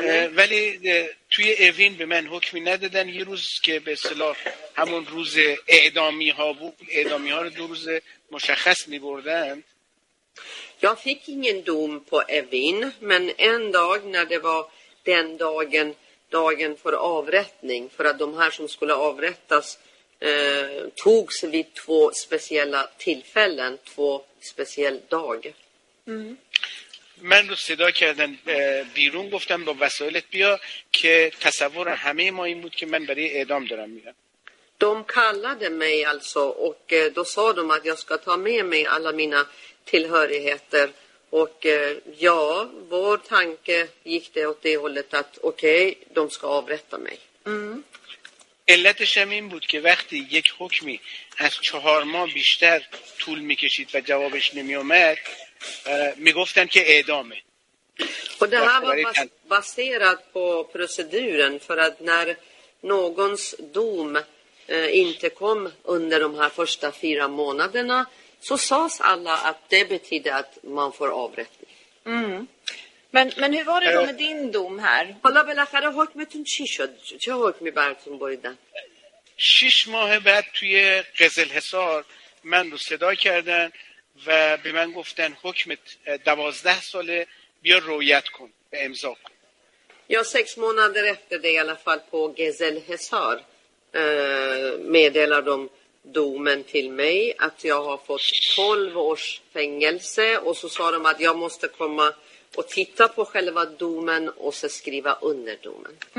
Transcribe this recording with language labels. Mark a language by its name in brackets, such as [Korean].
[Persian] ولی توی اوین به من حکمی ندادن. یه روز که به اصطلاح همون روز اعدامی ها بود، اعدامی ها رو دو روز مشخص می‌بردند. [Swedish] Jag fick ingen dom på Evin, men en dag när det var den dagen, dagen för avrättning, för att de här som skulle avrättas togs vid två speciella tillfällen, två speciella dagar. [Persian] من رو صدا کردن بیرون، گفتم با وسایلت بیا که تصور همه ما این بود که من برای اعدام دارم میرم. [Swedish] De kallade mig alltså och då sa de att jag ska ta med mig alla mina tillhörigheter och ja, vår tanke gick det åt det hållet att okej, de ska avrätta mig. [Persian] علتش هم این بود که وقتی یک حکمی از 4 ماه بیشتر طول میکشید و جوابش نمیومد میگفتن که اعدامه. [Swedish] Och det här var baserat på proceduren, för att när någons dom inte kom under de här första 4 månaderna så sades alla att det betyder att man får avrättning. Men hur var det då med din dom här? [Persian] Hala belakhare hukmetun chi shod? Chi hukmi baratun boridan? 6 ماه بعد توی قزلحصار من رو صدا کردن و به من گفتن حکمت 12 ساله، بیا رویت کن به امضا کن. [Swedish] Ja, 6 månader efter det i alla fall på Gezelhesar meddelar de domen till mig att jag har fått 12 års fängelse och så sa de att jag måste komma och titta på själva domen och så skriva under domen.